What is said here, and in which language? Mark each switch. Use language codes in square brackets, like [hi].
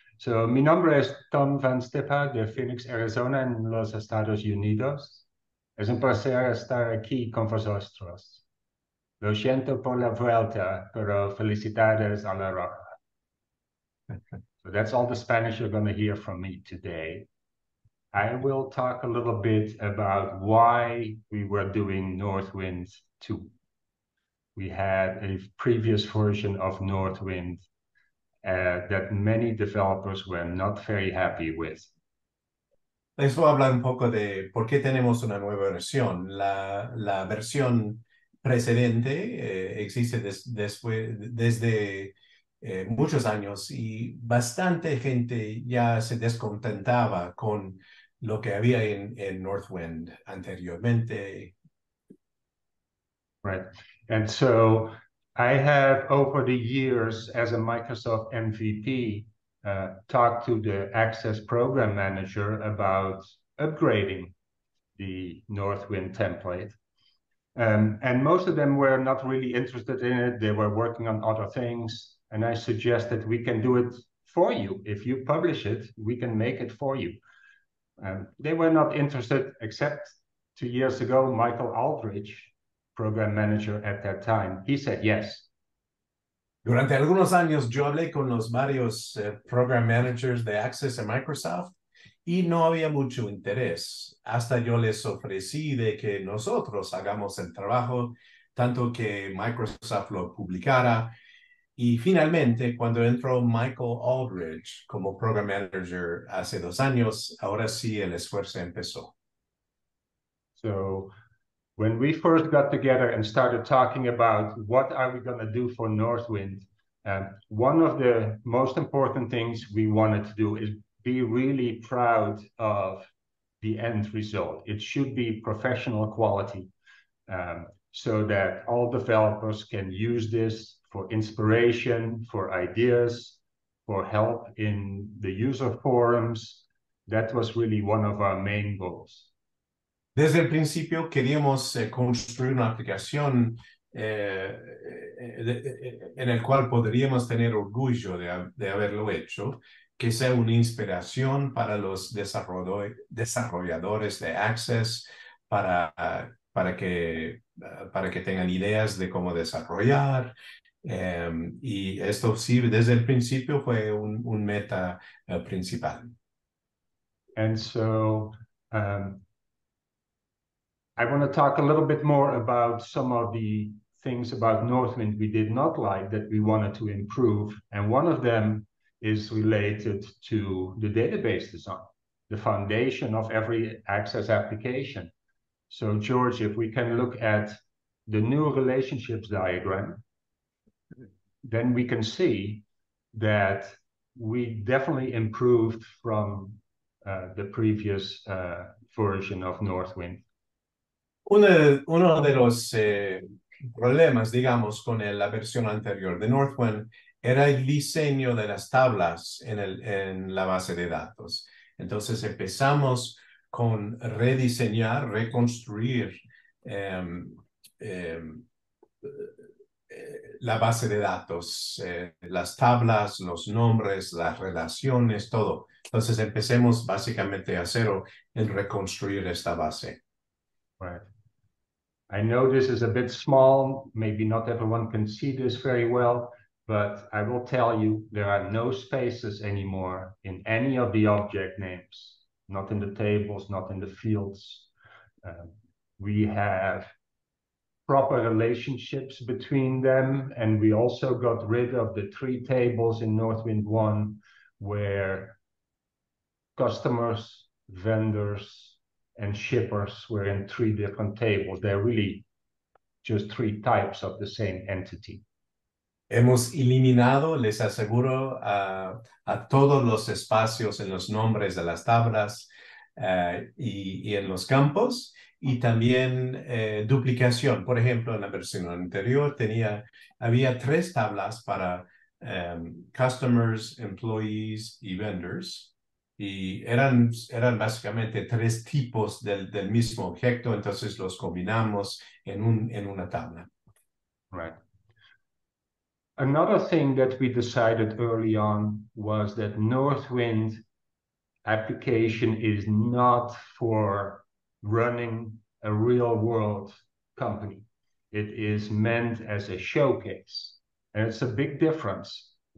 [es] So, mi nombre es Tom Van Stiphout de Phoenix, Arizona, en los Estados Unidos. Es un placer estar aquí con vosotros. Lo siento por la vuelta, pero felicidades a la roja. [en] So, that's all the Spanish you're going to hear from me today. I will talk a little bit about why we were doing Northwind 2. We had a previous version of Northwind that many developers were not very happy with. [es] Les voy a hablar un poco de por qué tenemos una nueva versión. La versión precedente existe desde muchos años y bastante gente ya se descontentaba con lo que había en Northwind anteriormente. [en] Right. And so I have, over the years, as a Microsoft MVP, talked to the Access Program Manager about upgrading the Northwind template. And most of them were not really interested in it. They were working on other things. And I suggest that we can do it for you. If you publish it, we can make it for you. They were not interested, except 2 years ago, Michael Aldrich, Program Manager at that time. He said yes. [es] Durante algunos años yo hablé con los varios Program Managers de Access en Microsoft y no había mucho interés. Hasta yo les ofrecí de que nosotros hagamos el trabajo, tanto que Microsoft lo publicara. Y finalmente, cuando entró Michael Aldrich como Program Manager hace 2 años, ahora sí el esfuerzo empezó. [en] So, when we first got together and started talking about what are we going to do for Northwind, one of the most important things we wanted to do is be really proud of the end result. It should be professional quality. so that all developers can use this for inspiration, for ideas, for help in the user forums. That was really one of our main goals. [es] Desde el principio queríamos construir una aplicación en el cual podríamos tener orgullo de haberlo hecho, que sea una inspiración para los desarrolladores de Access, para que tengan ideas de cómo desarrollar. Y esto sí, desde el principio fue un meta principal. [en] And so, I want to talk a little bit more about some of the things about Northwind we did not like that we wanted to improve. And one of them is related to the database design, the foundation of every Access application. So George, if we can look at the new relationships diagram, then we can see that we definitely improved from the previous version of Northwind. [es] Uno de los problemas, digamos, con la versión anterior de Northwind era el diseño de las tablas en la base de datos. Entonces empezamos con reconstruir la base de datos, las tablas, los nombres, las relaciones, todo. Entonces empecemos básicamente a cero en reconstruir esta base. [en] Right. I know this is a bit small, maybe not everyone can see this very well, but I will tell you there are no spaces anymore in any of the object names, not in the tables, not in the fields. We have proper relationships between them, and we also got rid of the three tables in Northwind 1 where customers, vendors, and shippers were in three different tables. They're really just three types of the same entity. [es] Hemos eliminado, les aseguro, a todos los espacios en los nombres de las tablas y en los campos, y también duplicación. Por ejemplo, en la versión anterior había tres tablas para customers, employees y vendors. Y eran básicamente tres tipos del mismo objeto, entonces los combinamos en una tabla. [en] Right. Another thing that we decided early on was that Northwind application is not for running a real world company. It is meant as a showcase. And it's a big difference.